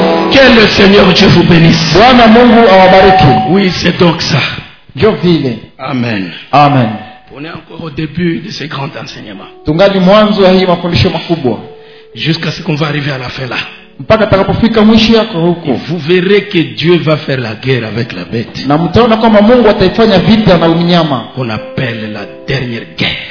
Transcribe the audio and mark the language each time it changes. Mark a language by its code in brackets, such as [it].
[fr] Que le Seigneur Dieu vous bénisse. [sw] Bwana Mungu awabariki. [fr] Oui, c'est donc ça. Dieu vive. Amen. Amen. On est encore au début de ce grand enseignement. [sw] Tungali mwanzo wa hii mafundisho makubwa. [fr] Jusqu'à ce qu'on va arriver à la fin là. [sw] Mpaka tutakapofika mwisho yako huko. [fr] Vous verrez que Dieu va faire la guerre avec la bête. [sw] Na mtaona kama Mungu ataifanya vita na mnyama. [fr] On appelle la dernière guerre.